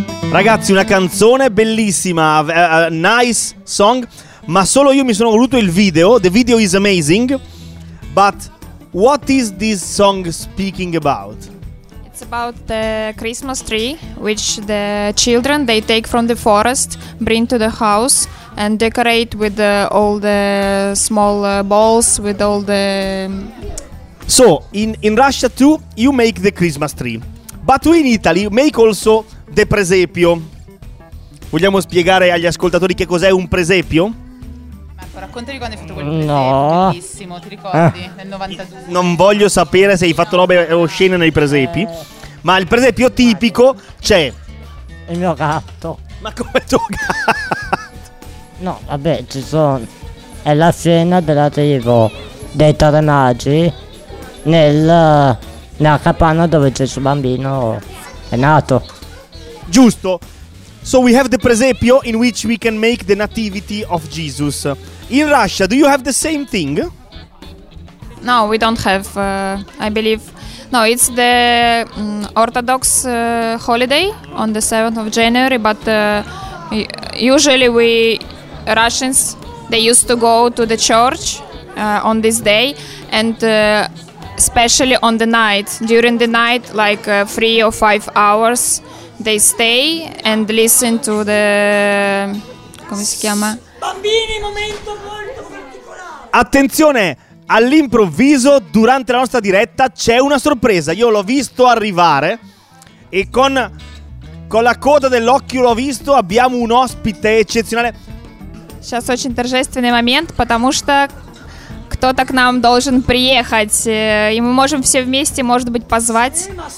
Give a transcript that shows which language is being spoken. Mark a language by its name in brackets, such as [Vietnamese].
[Italian] Ragazzi, una canzone bellissima, [English] nice song, [Italian] ma solo io mi sono voluto il video. [English] The video is amazing, but what is this song speaking about? It's about the Christmas tree, which the children, they take from the forest, bring to the house and decorate with all the small balls, with all the... So, in Russia too, you make the Christmas tree, but we in Italy make also... [Italian] De presepio. Vogliamo spiegare agli ascoltatori che cos'è un presepio? Marco, raccontami quando hai fatto quel presepio. No. Bellissimo, ti ricordi? Nel 92. Non voglio sapere se hai fatto robe o scene nei presepi. Ma il presepio tipico c'è. Il mio gatto. Ma come il tuo gatto? No, vabbè, ci sono. È la scena della tribù dei tre magi nella capanna dove c'è il suo bambino. È nato. Giusto. [English] So we have the presepio in which we can make the nativity of Jesus. In Russia, do you have the same thing? No, we don't have, I believe. No, it's the Orthodox holiday on the 7th of January, but usually we Russians, they used to go to the church on this day, and especially on the night, during the night, like 3 or 5 hours, they stay and listen to the... [Italian] come si chiama? Bambini, momento molto particolare! Attenzione! All'improvviso, durante la nostra diretta, c'è una sorpresa. Io l'ho visto arrivare e con la coda dell'occhio l'ho visto, abbiamo un ospite eccezionale. [Russian] Сейчас очень торжественный момент, потому что кто-то к нам должен приехать. И мы можем все вместе, может быть, позвать.